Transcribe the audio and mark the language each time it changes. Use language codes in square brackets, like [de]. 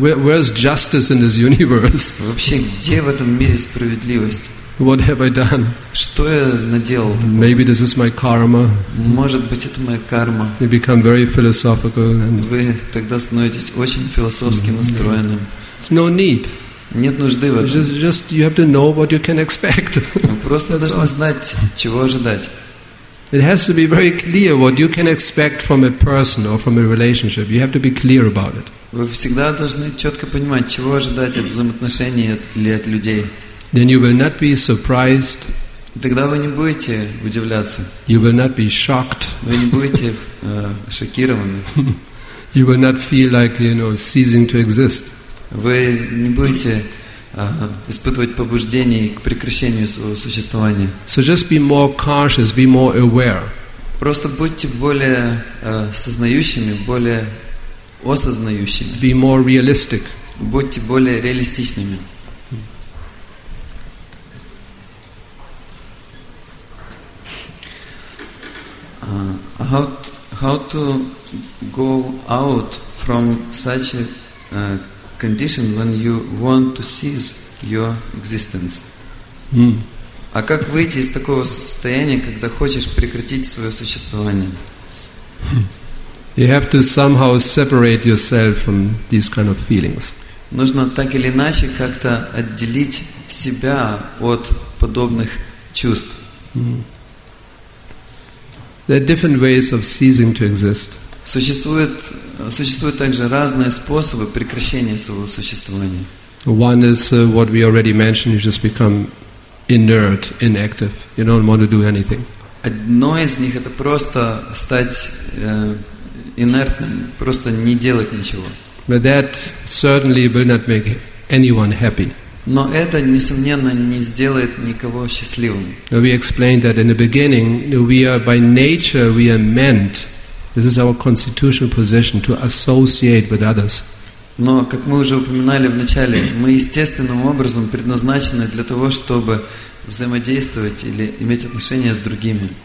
[en] Where's justice in this universe? [ru] Вообще, где в этом мире справедливость? [en] What have I done? [ru] Что я наделал? [en] Maybe this is my karma. [ru] Может быть, это моя карма. [en] You become very philosophical. [ru] Вы тогда становитесь очень философски настроенным. [en] It's no need. [ru] Нет нужды в этом. [en] Just you have to know what you can expect. [ru] Просто должны знать, чего ожидать. [en] It has to be very clear what you can expect from a person or from a relationship. You have to be clear about it. [ru] Вы всегда должны четко понимать, чего ожидать от взаимоотношений или от людей. [en] Then you will not be surprised. [ru] Тогда вы не будете удивляться. [en] You will not be shocked. [ru] Вы не будете шокированы. [en] You will not feel like, you know, ceasing to exist. [ru] Вы не будете испытывать побуждение к прекращению своего существования. [en] So just be more cautious, be more aware. [ru] Просто будьте более сознающими, более осознающими. [en] Be more realistic. [ru] Будьте более реалистичными. [en] How to go out from such a condition when you want to cease your existence? [ru] А как выйти из такого состояния, когда хочешь прекратить свое существование? [en] You have to somehow separate yourself from these kind of feelings. [ru] Нужно так или иначе как-то отделить себя от подобных чувств. [en] There are different ways of ceasing to exist. [ru] Существуют также разные способы прекращения своего существования. [en] One is what we already mentioned, you just become inert, inactive. You don't want to do anything. [ru] Одно из них это просто стать инертным, просто не делать ничего. [en] But that certainly will not make anyone happy. [ru] Но это, несомненно, не сделает никого счастливым. [en] We explained that in the beginning, we are by nature, we are meant, this is our constitutional position, to associate with others. [ru] Но, как мы уже упоминали в начале, мы естественным образом предназначены для того, чтобы взаимодействовать или иметь отношения с другими.